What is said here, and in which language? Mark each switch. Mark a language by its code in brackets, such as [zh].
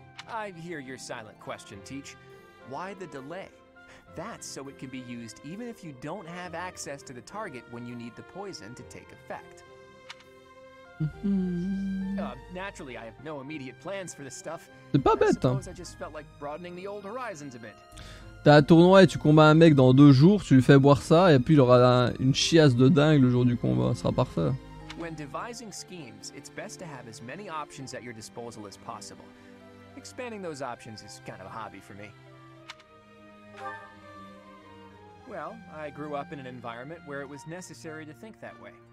[en] I hear your silent question, Teach. Why the delay? That's so it can be used even if you don't have access to the target when you need the poison to take effect. Naturally, I have no immediate plans for this stuff. [fr] C'est pas bête, hein. [en] I suppose I just felt like broadening the old horizons a bit. [fr] T'as un tournoi et tu combats un mec dans 2 jours, tu lui fais boire ça et puis il aura une chiasse de dingue le jour du combat, ça sera parfait. [en] When devising schemes, it's best to have as many options at your disposal as possible. Expanding those options is kind of a hobby for me. Well, I grew up in an environment where it was necessary to think that way.